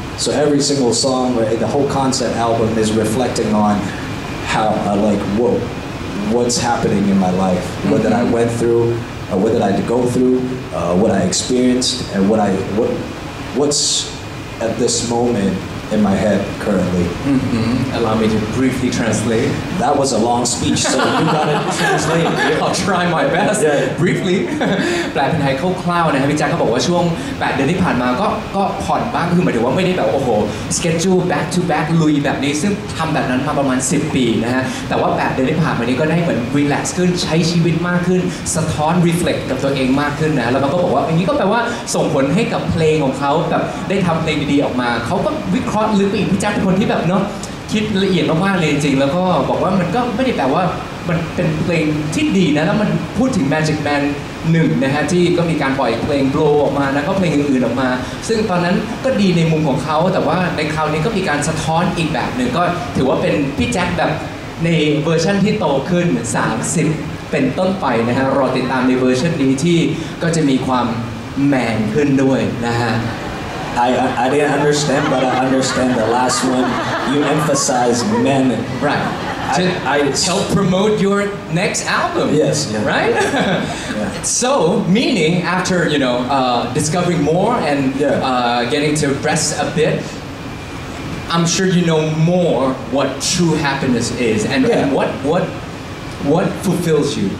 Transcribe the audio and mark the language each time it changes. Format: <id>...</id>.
<en>So every single song, the whole concept album is reflecting on how I like, whoa, what's happening in my life, what that I went through, what that I had to go through, what I experienced, and what's at this moment in my head currently. Allow me to briefly translate. That was a long speech, so you gotta translate. I'll try my best. Yeah. Briefly.</en> <th>แปลเป็นไทยคร่าวๆนะครับพี่แจ็คเขาบอกว่าช่วง8เดือนที่ผ่านมาก็ผ่อนบ้างคือหมายถึงว่าไม่ได้แบบโอ้โห</th> <en>schedule back to back</en> <th>ลุยแบบนี้ซึ่งทำแบบนั้นมาประมาณ10ปีนะฮะแต่ว่า8เดือนที่ผ่านมานี้ก็ได้เหมือน relax ขึ้นใช้ชีวิตมากขึ้นสะท้อน reflect กับตัวเองมากขึ้นนะแล้วมันก็บอกว่าอันนี้ก็แปลว่าส่งผลให้กับเพลงของเขาแบบได้ทำเพลงดีๆออกมาเขาก็วิเคราะห์ลึกไปอีกพี่แจ็คเป็นคนที่แบบเนาะ คิดละเอียดมากๆเลยจริงแล้วก็บอกว่ามันก็ไม่ได้แปลว่ามันเป็นเพลงที่ดีนะแล้วมันพูดถึง Magic Man 1นะฮะที่ก็มีการปล่อยเพลง Blow ออกมานะก็เพลงอื่นๆออกมาซึ่งตอนนั้นก็ดีในมุมของเขาแต่ว่าในคราวนี้ก็มีการสะท้อนอีกแบบนึงก็ถือว่าเป็นพี่แจ็คแบบในเวอร์ชันที่โตขึ้น30เป็นต้นไปนะฮะรอติดตามในเวอร์ชันนี้ที่ก็จะมีความแมนขึ้นด้วยนะฮะ</th> <en>I didn't understand, but I understand the last one. You emphasize men. Right. Help promote your next album. Yes. Yeah. Right? Yeah. So, meaning after, you know, discovering more and getting to rest a bit, I'm sure you know more what true happiness is and, and what fulfills you.</en>